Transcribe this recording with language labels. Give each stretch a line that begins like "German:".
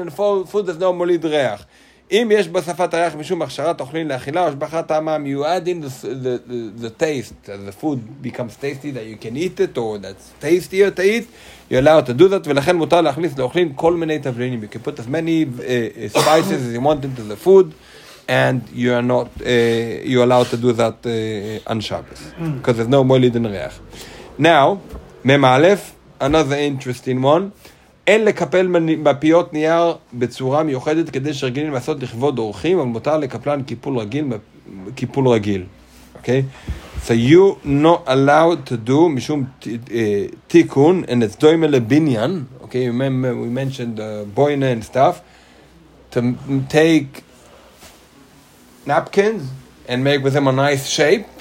English: And for food, there's no molid reach.
Hebrew: אם יש בשפת הריח משום הכשרת אוכלים לאכילה או השבחת העמם,
English: you add in the taste, the food becomes tasty that you can eat it, or that's tastier to eat, you allow to do that,
Hebrew: ולכן מותר להכניס לאוכלים כל מיני תבלינים.
English: You can put as many spices as you want into the food, and you are not, you allow to do that on Shabbos, because there's no מוליד in ריח. Now,
Hebrew: מם א',
English: another interesting one,
Hebrew: אין לקפל בפיות נייר בצורה מיוחדת כדי שרגילים לעשות לכבוד אורחים, אבל מותר לקפלן כיפול רגיל, כיפול רגיל.
English: Okay? So you not allowed to do משום תיקון, and it's doing a binyan, okay? We mentioned boina and stuff, to take napkins and make with them a nice shape.